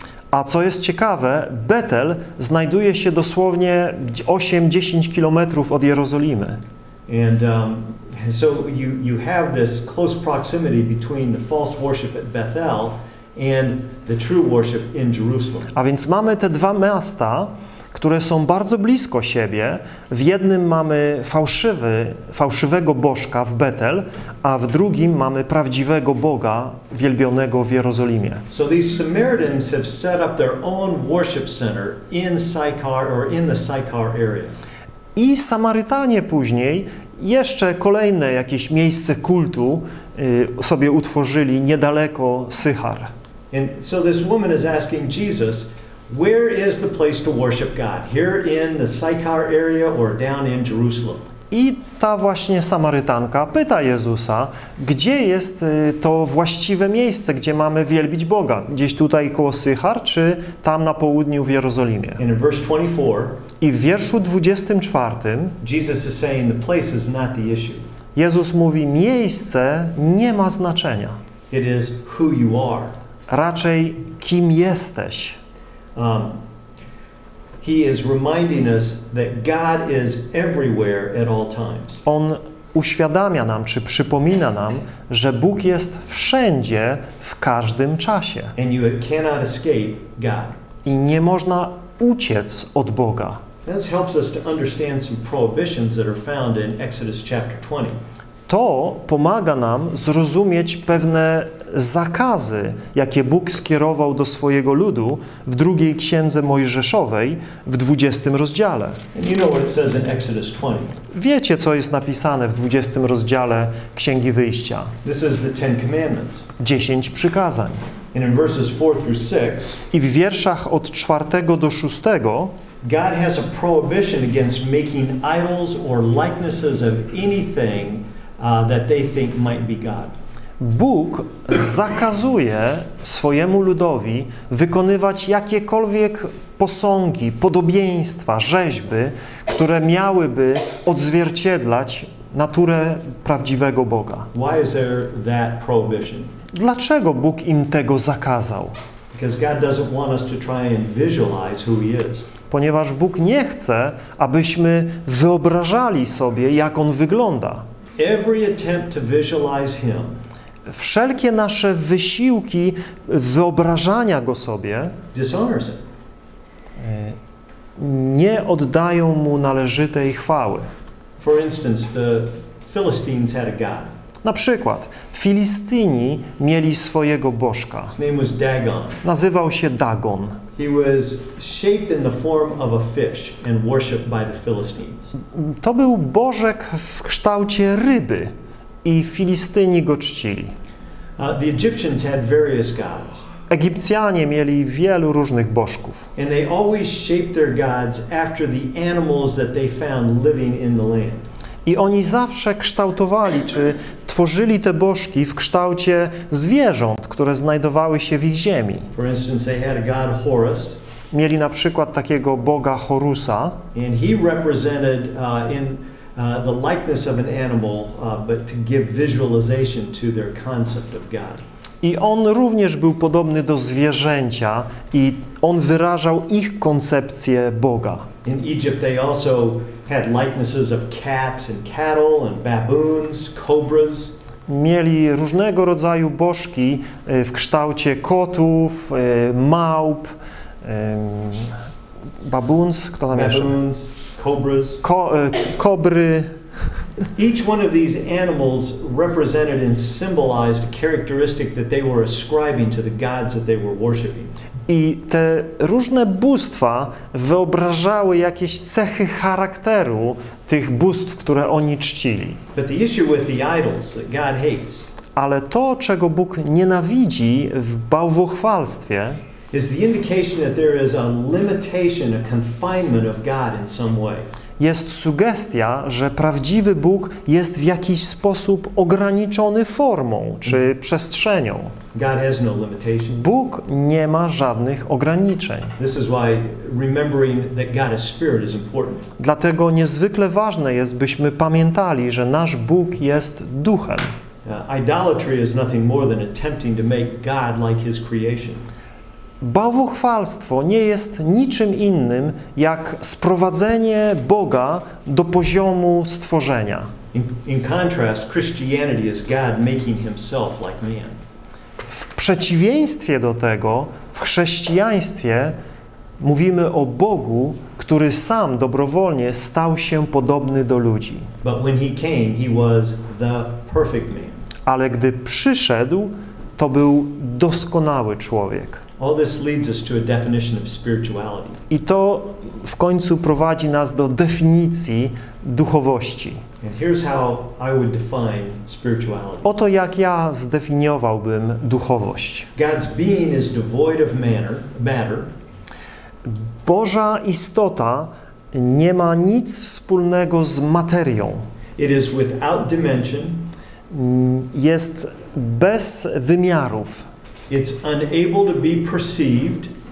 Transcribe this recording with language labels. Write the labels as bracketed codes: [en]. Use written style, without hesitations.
[pl] A co jest ciekawe, Betel znajduje się dosłownie 8-10 kilometrów od Jerozolimy. [en] And, so you have this close proximity between the false worship at Bethel and the true worship in Jerusalem. [pl] A więc mamy te dwa miasta, które są bardzo blisko siebie. W jednym mamy fałszywego bożka w Betel, a w drugim mamy prawdziwego Boga wielbionego w Jerozolimie. [en] So these Samaritans have set up their own worship center in Sychar or in the Sychar area. [pl] I Samarytanie później jeszcze kolejne jakieś miejsce kultu sobie utworzyli niedaleko Sychar. [en] And so this woman is asking Jesus, where is the place to worship God? Here in the Sychar area or down in Jerusalem? [pl] I ta właśnie Samarytanka pyta Jezusa, gdzie jest to właściwe miejsce, gdzie mamy wielbić Boga? Gdzieś tutaj koło Sychar, czy tam na południu w Jerozolimie? [en] And in verse 24, [pl] i w wierszu 24, [en] Jesus is saying the place is not the issue. [pl] Jezus mówi, miejsce nie ma znaczenia. [en] It is who you are. [pl] Raczej kim jesteś. [en] He is reminding us that God is everywhere at all times. [pl] On uświadamia nam, czy przypomina nam, że Bóg jest wszędzie, w każdym czasie. [en] And you cannot escape God. [pl] I nie można uciec od Boga. [en] This helps us to understand some prohibitions that are found in Exodus chapter 20. [pl] To pomaga nam zrozumieć pewne zakazy, jakie Bóg skierował do swojego ludu w drugiej księdze Mojżeszowej w 20 rozdziale. [en] You know what it says in Exodus 20. [pl] Wiecie, co jest napisane w 20 rozdziale Księgi Wyjścia. [en] This is the Ten Commandments. [pl] 10 przykazań. [en] And in verses 4 through 6, [pl] i w wierszach od 4 do 6, [en] God has a prohibition against making idols or likenesses of anything that they think might be God. [pl] Bóg zakazuje swojemu ludowi wykonywać jakiekolwiek posągi, podobieństwa, rzeźby, które miałyby odzwierciedlać naturę prawdziwego Boga. [en] Why is there that prohibition? [pl] Dlaczego Bóg im tego zakazał? [en] Because God doesn't want us to try and visualize who he is. [pl] Ponieważ Bóg nie chce, abyśmy wyobrażali sobie, jak on wygląda. [en] Every attempt to visualize him. [pl] Wszelkie nasze wysiłki wyobrażania go sobie [en] dishonors him. [pl] Nie oddają mu należytej chwały. [en] For instance, the Philistines had a god. [pl] Na przykład, Filistyni mieli swojego bożka. [en] His name was Dagon. [pl] Nazywał się Dagon. [en] He was shaped in the form of a fish and worshipped by the Philistines. [pl] To był bożek w kształcie ryby i Filistyni go czcili. [en] The Egyptians had various gods. [pl] Egipcjanie mieli wielu różnych bożków. [en] And they always shaped their gods after the animals that they found living in the land. [pl] I oni zawsze kształtowali, czy tworzyli te bożki w kształcie zwierząt, które znajdowały się w ich ziemi. [en] For instance, they had a god Horus. [pl] Mieli na przykład takiego boga Horusa. [en] And he represented in the likeness of an animal, but to give visualization to their concept of God. [pl] I on również był podobny do zwierzęcia i on wyrażał ich koncepcję Boga. [en] In Egypt they also had likenesses of cats and cattle and baboons, cobras. [pl] Mieli różnego rodzaju bożki w kształcie kotów, małp, baboons, kto tam jeszcze? [en] Baboons, cobras. [pl] Kobry. [en] Each one of these animals represented and symbolized a characteristic that they were ascribing to the gods that they were worshiping. [pl] I te różne bóstwa wyobrażały jakieś cechy charakteru tych bóstw, które oni czcili. [en] But the issue with the idols that God hates. [pl] Ale to, czego Bóg nienawidzi w bałwochwalstwie, [en] is the indication that there is a limitation, a confinement of God in some way. [pl] Jest sugestia, że prawdziwy Bóg jest w jakiś sposób ograniczony formą czy przestrzenią. [en] God has no limitations. [pl] Bóg nie ma żadnych ograniczeń. [en] This is why remembering that God is spirit is important. [pl] Dlatego niezwykle ważne jest, byśmy pamiętali, że nasz Bóg jest duchem. [en] Idolatry is nothing more than attempting to make God like his creation. [pl] Bałwochwalstwo nie jest niczym innym, jak sprowadzenie Boga do poziomu stworzenia. [en] In contrast, Christianity is God making himself like man. [pl] W przeciwieństwie do tego, w chrześcijaństwie mówimy o Bogu, który sam dobrowolnie stał się podobny do ludzi. [en] But when he came, he was the perfect man. [pl] Ale gdy przyszedł, to był doskonały człowiek. [en] All this leads us to a definition of spirituality. [pl] I to w końcu prowadzi nas do definicji duchowości. [en] And here's how I would define spirituality. [pl] Oto jak ja zdefiniowałbym duchowość. [en] God's being is devoid of matter. [pl] Boża istota nie ma nic wspólnego z materią. [en] It is without dimension. [pl] Jest bez wymiarów. [en] It's unable to be perceived.